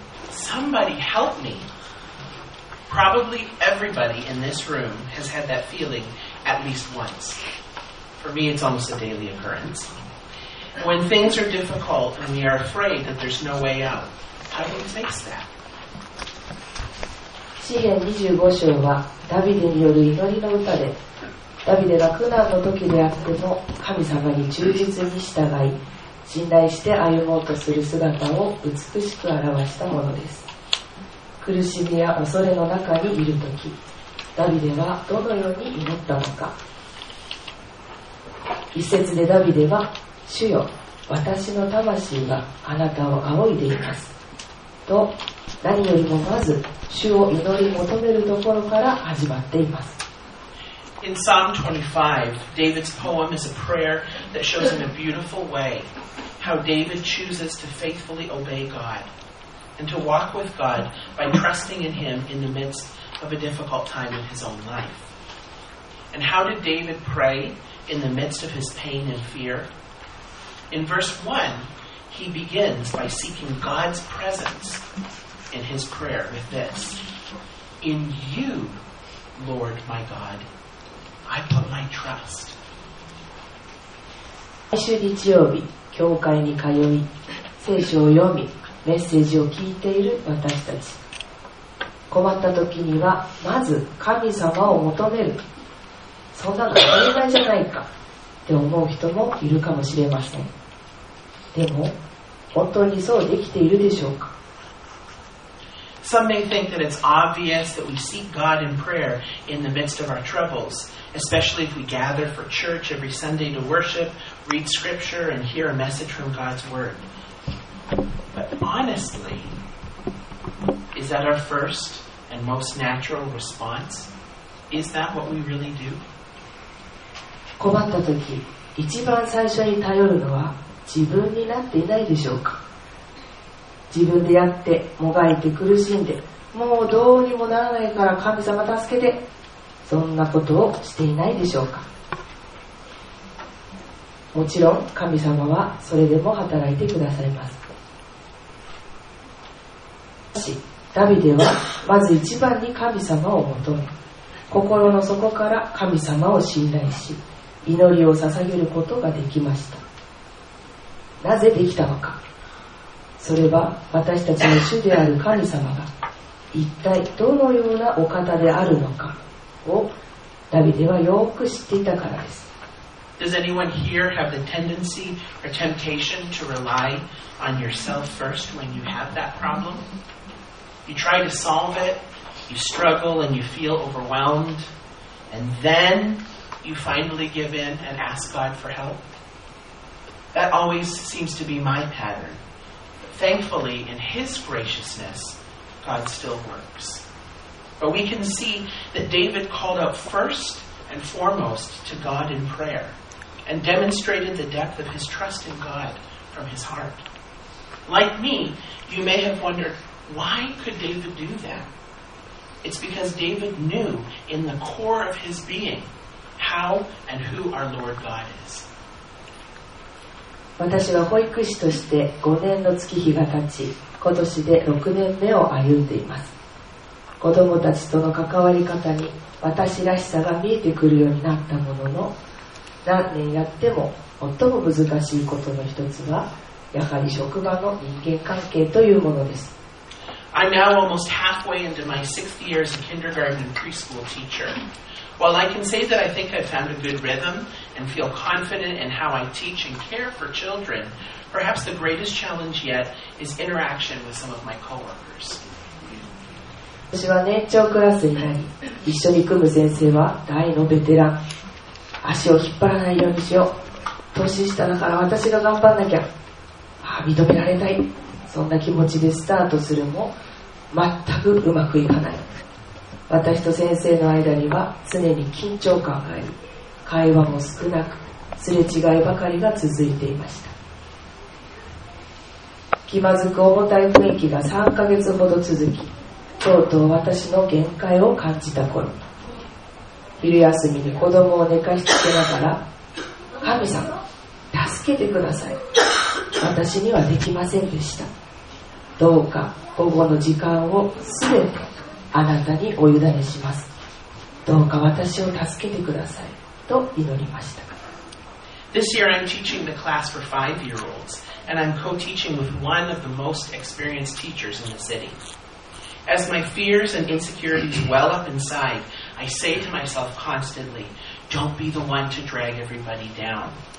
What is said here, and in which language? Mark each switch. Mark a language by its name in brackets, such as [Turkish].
[English] Somebody help me. Probably everybody in this room has had that feeling at least once. For me it's almost a daily occurrence. When things are difficult and we are afraid that there's no way out, how do we face that? [Japanese] 詩編25章はダビデによる祈りの歌で、ダビデが苦難の時であっても神様に忠実に従い、信頼して歩もうとする姿を美しく表したものです。苦しみや恐れの中にいる時、ダビデはどのように祈ったのか。一節でダビデは、主よ、私の魂はあなたを仰いでいますと、何よりもまず主を祈り求めるところから始まっています。 [English] In Psalm 25, David's poem is a prayer that shows in a beautiful way how David chooses to faithfully obey God and to walk with God by trusting in him in the midst of a difficult time in his own life. And how did David pray in the midst of his pain and fear? In verse 1, he begins by seeking God's presence in his prayer with this. In you, Lord my God, I put my trust. [Japanese] 毎週日曜日、教会に通い、聖書を読み、メッセージを聞いている私たち。困った時には、まず神様を求める。そんなの当たり前じゃないかって思う人もいるかもしれません。でも、本当にそうできているでしょうか。 Some may think that it's obvious that we seek God in prayer in the midst of our troubles, especially if we gather for church every Sunday to worship, read scripture, and hear a message from God's word. But honestly, is that our first and most natural response? Is that what we really do? 困ったとき、一番最初に頼るのは、自分になっていないでしょうか。自分でやってもがいて苦しんで、もうどうにもならないから神様助けて、そんなことをしていないでしょうか。もちろん神様はそれでも働いてくださいます。しかしダビデはまず一番に神様を求め、心の底から神様を信頼し、祈りを捧げることができました。なぜできたのか。それは私たちの主である神様が一体どのようなお方であるのかをダビデはよく知っていたからです。 [English] Does anyone here have the tendency or temptation to rely on yourself first when you have that problem? You try to solve it, you struggle and you feel overwhelmed, and then you finally give in and ask God for help? That always seems to be my pattern. Thankfully, in His graciousness, God still works. But we can see that David called out first and foremost to God in prayer and demonstrated the depth of his trust in God from his heart. Like me, you may have wondered, why could David do that? It's because David knew in the core of his being how and who our Lord God is. [Japanese] 私は保育士として5年の月日が経ち、今年で6年目を歩んでいます。子どもたちとの関わり方に私らしさが見えてくるようになったものの、何年やっても最も難しいことの一つは、やはり職場の人間関係というものです。 [English] I'm now almost halfway into my sixth year as a kindergarten and preschool teacher. While I can say that I think I've found a good rhythm and feel confident in how I teach and care for children, perhaps the greatest challenge yet is interaction with some of my coworkers. [Japanese] 私は年長クラスになり、一緒に組む先生は大のベテラン。足を引っ張らないようにしよう。年下だから私が頑張んなきゃ。ああ、認められたい。そんな気持ちでスタートするも、全くうまくいかない。私と先生の間には常に緊張感があり、会話も少なく、すれ違いばかりが続いていました。気まずく重たい雰囲気が3ヶ月ほど続き、とうとう私の限界を感じた頃、昼休みに子供を寝かしつけながら、神様、助けてください。私にはできませんでした。どうか午後の時間をすべてあなたにお委ねします。どうか私を助けてください。と祈りました。 [English] This year I'm teaching the class for 5-year-olds, and I'm co-teaching with one of the most experienced teachers in the city. As my fears and insecurities well up inside, I say to myself constantly, don't be the one to drag everybody down.